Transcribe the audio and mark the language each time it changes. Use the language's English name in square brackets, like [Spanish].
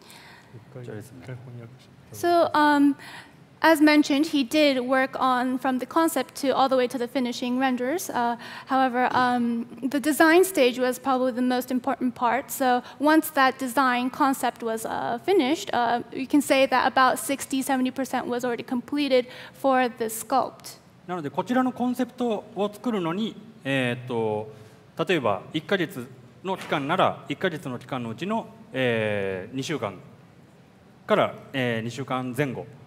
[Japanese] あの、くくりに関しては、あの、すべて私の方でデザインワークも行いまして、あの、やっぱりアートワークが、あの、とても一番重要な、あの、パートで、それが終われば、もう、本当6割7割完成したようなもので、あの、なので、こちらの、じゃあですね。So, [English] As mentioned, he did work on from the concept to all the way to the finishing renders. However, the design stage was probably the most important part. So once that design concept was finished, you can say that about 60-70% was already completed for the sculpt. [Japanese] なので、こちらのコンセプトを作るのに、例えば1ヶ月の期間なら1ヶ月の期間のうちの2週間から2週間前後。